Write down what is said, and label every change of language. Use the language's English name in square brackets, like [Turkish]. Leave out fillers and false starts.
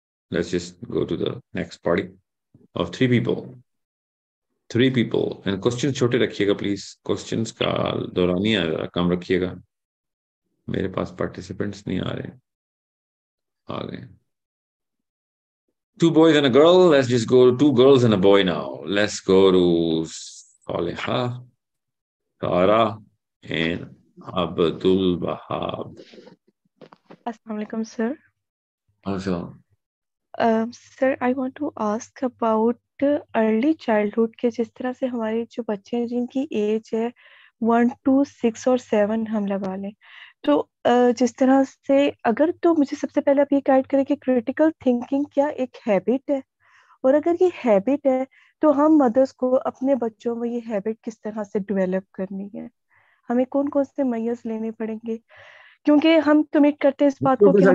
[English] Let's just go to the next party of three people. [Urdu] Three people and question چھوٹے رکھیے گا please, questions کا دورانی کم رکھیے گا. میرے پاس participants نہیں آ رہے, آ گئے. [English] Two boys and a girl. Let's just go to two girls and a boy now. Let's go to Saleha, Sara, and Abdul Wahab. Assalamu alaikum, sir. Assalam. Sir, I want to ask about early childhood. [Urdu] Ke jis tarah se hamare jo bachche hain jinki age hai 1, 2, 6 or 7 hum laga le, to جس طرح سے اگر, تو مجھے سب سے پہلے آپ یہ گائیڈ کریں کہ کریٹیکل تھنکنگ کیا ایک ہیبٹ ہے, اور اگر یہ ہیبٹ ہے تو ہم مدرس کو اپنے بچوں میں یہ ہیبٹ کس طرح سے ڈیولپ کرنی ہے, ہمیں کون کون سے میئرز لینے پڑیں گے, کیونکہ ہم کمٹ کرتے ہیں اس بات کو.